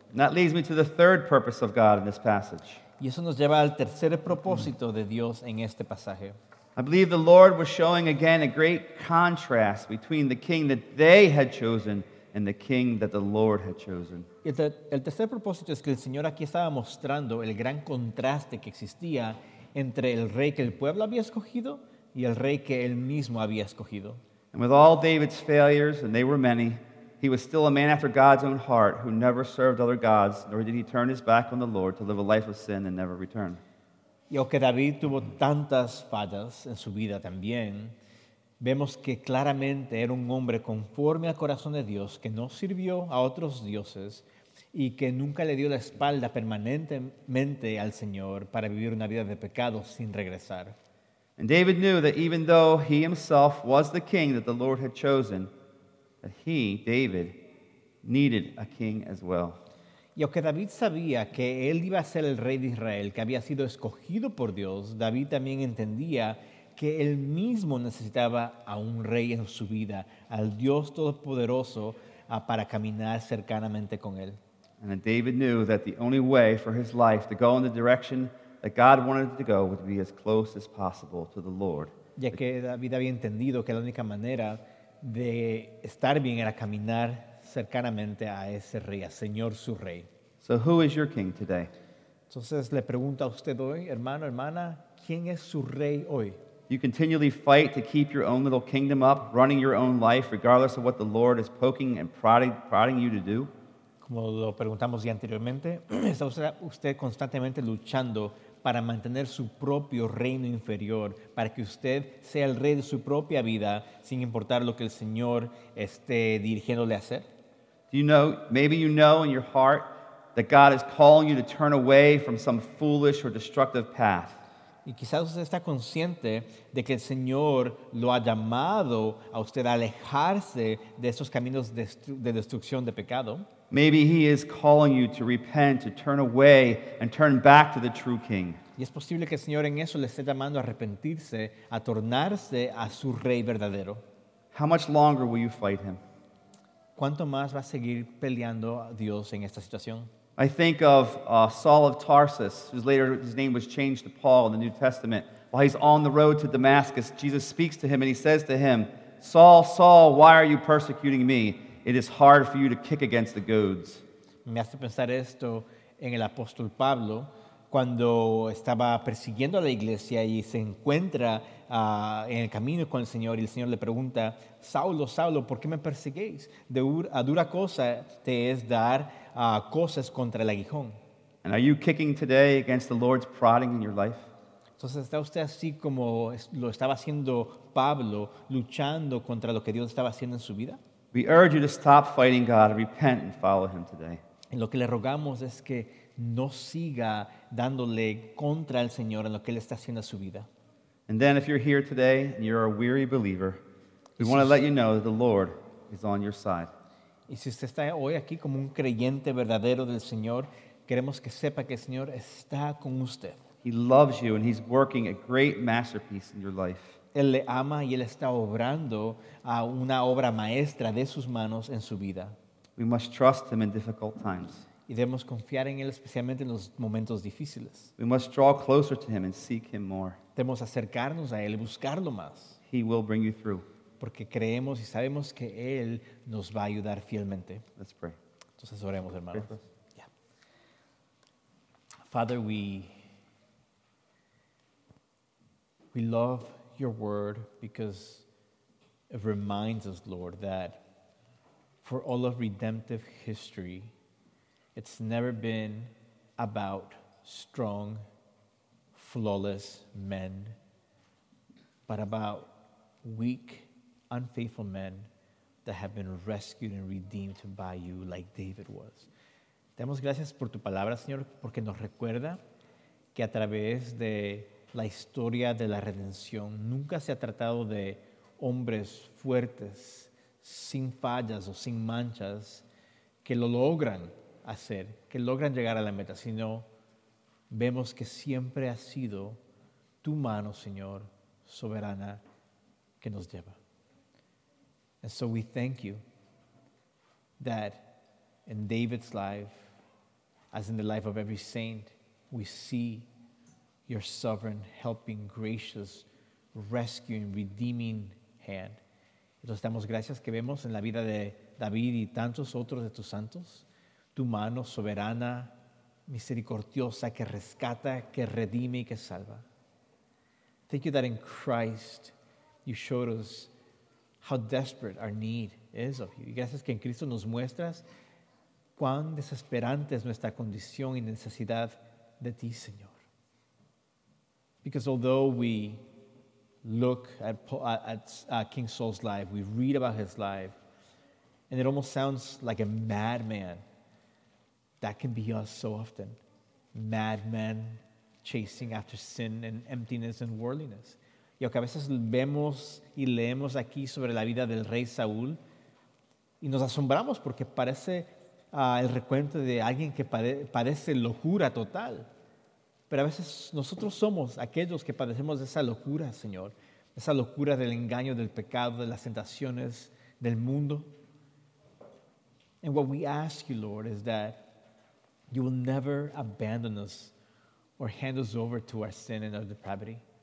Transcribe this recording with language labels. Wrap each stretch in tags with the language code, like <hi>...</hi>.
<en>That leads me to the third purpose of God in this passage.</en> <es>Y eso nos lleva al tercer propósito de Dios en este pasaje.</es> <en>I believe the Lord was showing again a great contrast between the king that they had chosen and the king that the Lord had chosen.</en> <es>El tercer propósito es que el Señor aquí estaba mostrando el gran contraste que existía entre el rey que el pueblo había escogido y el rey que él mismo había escogido.</es> <en>And with all David's failures, and they were many, he was still a man after God's own heart who never served other gods, nor did he turn his back on the Lord to live a life of sin and never return.</en> <es>Y aunque David tuvo tantas fallas en su vida también, vemos que claramente era un hombre conforme al corazón de Dios que no sirvió a otros dioses y que nunca le dio la espalda permanentemente al Señor para vivir una vida de pecado sin regresar.</es> <en>And David knew that even though he himself was the king that the Lord had chosen, that he, David, needed a king as well.</en> <es>Y aunque David sabía que él iba a ser el rey de Israel, que había sido escogido por Dios, David también entendía que él mismo necesitaba a un rey en su vida, al Dios Todopoderoso, para caminar cercanamente con él.</es> <en>And David knew that the only way for his life to go in the direction that God wanted it to go would be as close as possible to the Lord.</en> <es>Ya que David había entendido que la única manera de estar bien era caminar cercanamente a ese rey, a Señor su rey.</es> <en>So who is your king today?</en> <es>Entonces le pregunto a usted hoy, hermano, hermana, ¿quién es su rey hoy?</es> <en>You continually fight to keep your own little kingdom up, running your own life, regardless of what the Lord is poking and prodding you to do.</en> <es>Como lo preguntamos ya anteriormente, ¿está usted constantemente luchando para mantener su propio reino inferior, para que usted sea el rey de su propia vida, sin importar lo que el Señor esté dirigiéndole a hacer?</es> <en>Do you know, maybe you know in your heart that God is calling you to turn away from some foolish or destructive path.</en> <es>Y quizás usted está consciente de que el Señor lo ha llamado a usted a alejarse de esos caminos de destrucción de pecado.</es> <en>Maybe he is calling you to repent, to turn away and turn back to the true king.</en> <es>Y es posible que el Señor en eso le esté llamando a arrepentirse, a tornarse a su rey verdadero.</es> <en>How much longer will you fight him?</en> <es>¿Cuánto más va a seguir peleando a Dios en esta situación?</es> <en>I think of Saul of Tarsus, whose later his name was changed to Paul in the New Testament. While he's on the road to Damascus, Jesus speaks to him and he says to him, "Saul, Saul, why are you persecuting me? It is hard for you to kick against the goads."</en> <es>Me hace pensar esto en el apóstol Pablo cuando estaba persiguiendo a la iglesia y se encuentra en el camino con el Señor y el Señor le pregunta, "Saulo, Saulo, ¿por qué me perseguís? De dura cosa te es dar cosas contra el aguijón."</es> <en>And are you kicking today against the Lord's prodding in your life?</en> <es>Entonces, ¿está usted así como lo estaba haciendo Pablo, luchando contra lo que Dios estaba haciendo en su vida?</es> <en>We urge you to stop fighting God, repent and follow him today.</en> <es>Y lo que le rogamos es que no siga dándole contra el Señor en lo que él está haciendo en su vida.</es> <en>And then if you're here today and you're a weary believer, we want to let you know that the Lord is on your side.</en> <es>Y si usted está hoy aquí como un creyente verdadero del Señor, queremos que sepa que el Señor está con usted.</es> <en>He loves you and he's working a great masterpiece in your life.</en> <es>Él le ama y él está obrando a una obra maestra de sus manos en su vida.</es> <en>We must trust him in difficult times.</en> <es>Y debemos confiar en él especialmente en los momentos difíciles.</es> <en>We must draw closer to him and seek him more.</en> <es>Debemos acercarnos a él y buscarlo más.</es> <en>He will bring you through.</en> <es>Porque creemos y sabemos que él nos va a ayudar fielmente.</es> <en>Let's pray.</en> <es>Entonces oremos, hermanos. Yeah.</es> <en>Father, we love your word because it reminds us, Lord, that for all of redemptive history, it's never been about strong, flawless men, but about weak, unfaithful men that have been rescued and redeemed by you, like David was.</en> <es>Damos gracias por tu palabra, Señor, porque nos recuerda que a través de la historia de la redención nunca se ha tratado de hombres fuertes, sin fallas o sin manchas, que lo logran hacer, que logran llegar a la meta, sino vemos que siempre ha sido tu mano, Señor, soberana, que nos lleva.</es> <en>And so we thank you that in David's life, as in the life of every saint, we see your sovereign, helping, gracious, rescuing, redeeming hand.</en> <es>Entonces damos gracias que vemos en la vida de David y tantos otros de tus santos, tu mano soberana, misericordiosa, que rescata, que redime y que salva.</es> <en>Thank you that in Christ you showed us how desperate our need is of you.</en> <es>Y gracias que en Cristo nos muestras cuán desesperante es nuestra condición y necesidad de ti, Señor.</es> <en>Because although we look at King Saul's life, we read about his life, and it almost sounds like a madman. That can be us so often. Madmen chasing after sin and emptiness and worldliness.</en> <es>Y aunque a veces vemos y leemos aquí sobre la vida del rey Saúl, y nos asombramos porque parece el recuento de alguien que parece locura total. Pero a veces nosotros somos aquellos que padecemos de esa locura, Señor. Esa locura del engaño, del pecado, de las tentaciones del mundo.</es> <en>And what we ask you, Lord, is that you will never abandon us or hand us over to our sin and our depravity.</en>